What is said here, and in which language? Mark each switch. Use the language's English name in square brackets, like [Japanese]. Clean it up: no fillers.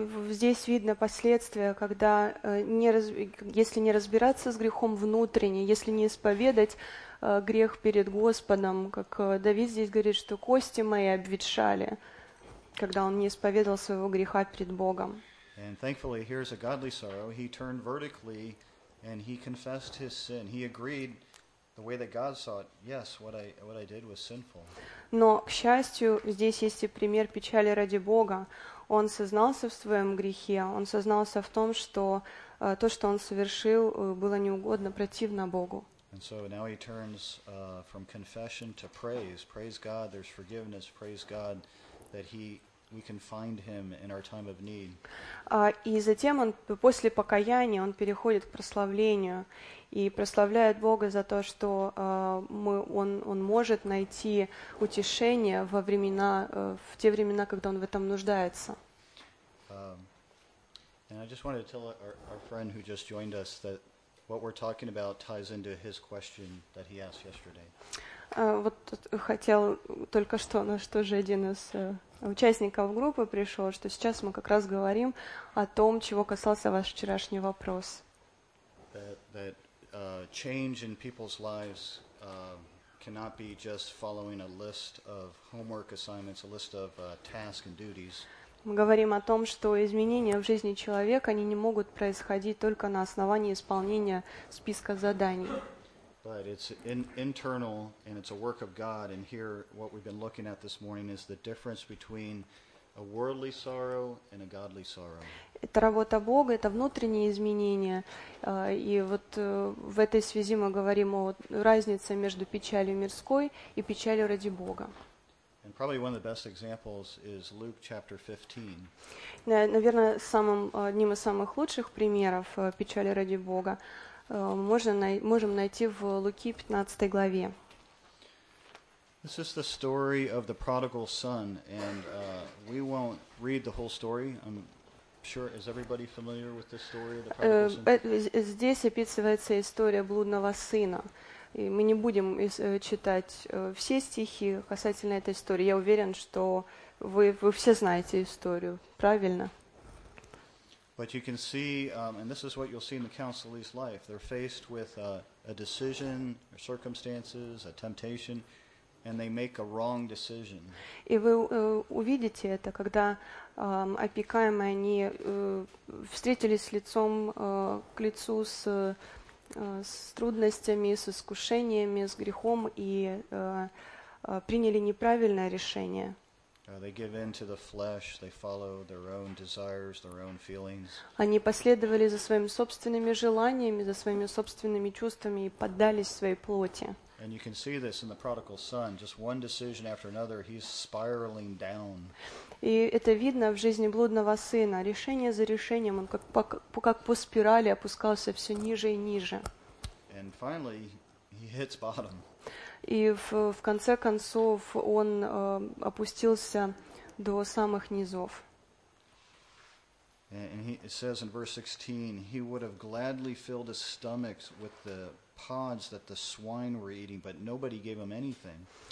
[Russian] Здесь видно последствия, когда если не разбираться с грехом внутренне, если не исповедать грех перед Господом, как Давид здесь говорит, что кости мои обветшали, когда он не исповедал своего греха перед Богом. [English] And thankfully, here's a godly sorrow. He turned vertically and he confessed his sin. He agreed the way that God saw it. Yes, what I did was sinful. [Russian] Но, к счастью, здесь есть и пример печали ради Бога. Он сознался в своем грехе, он сознался в том, что то, что он совершил, было неугодно, противно Богу. [English] And so now he turns from confession to praise. Praise God, there's forgiveness. Praise God that we can find him in our time of need. [Russian] И затем он после покаяния он переходит к прославлению и прославляет Бога за то, что он может найти утешение во времена в те времена, когда он в этом нуждается. [English] And I just wanted to tell our friend who just joined us that what we're talking about ties into his question that he asked yesterday. [Russian] Вот хотел только что, наш тоже один из участников группы пришел, что сейчас мы как раз говорим о том, чего касался ваш вчерашний вопрос. [English] That change in people's lives cannot be just following a list of homework assignments, a list of tasks and duties. [Russian] Мы говорим о том, что изменения в жизни человека, они не могут происходить только на основании исполнения списка заданий. [English] But it's internal, and it's a work of God. And here, what we've been looking at this morning is the difference between a worldly sorrow and a godly sorrow. [Russian] Это работа Бога, это внутренние изменения. И вот в этой связи мы говорим о разнице между печалью мирской и печалью ради Бога. [English] And probably one of the best examples is Luke chapter 15. [Russian] Наверное, одним из самых лучших примеров печали ради Бога можем найти в Луки 15 главе. [English] This is the story of the prodigal son, and we won't read the whole story. I'm sure, is everybody familiar with the story of the prodigal son? [Russian] Здесь описывается история блудного сына. И мы не будем читать все стихи касательно этой истории. Я уверен, что вы все знаете историю, правильно? [English] But you can see, and this is what you'll see in the counselee's life. They're faced with a decision, or circumstances, a temptation, and they make a wrong decision. [Russian] И вы увидите это, когда опекаемые они встретились лицом к лицу с трудностями, с искушениями, с грехом и приняли неправильное решение. [English] They give in to the flesh, they follow their own desires, their own feelings. [Russian] Они последовали за своими собственными желаниями, за своими собственными чувствами и поддались своей плоти. [English] And you can see this in the prodigal son, just one decision after another, he's spiraling down. [Russian] И это видно в жизни блудного сына. Решение за решением, он как по спирали опускался все ниже и ниже. [English] And finally, he hits bottom. [Russian] И в конце концов он опустился до самых низов. [English] And he, it says in verse 16, he would have gladly filled his stomachs with the pods that the swine were eating, but nobody gave him anything.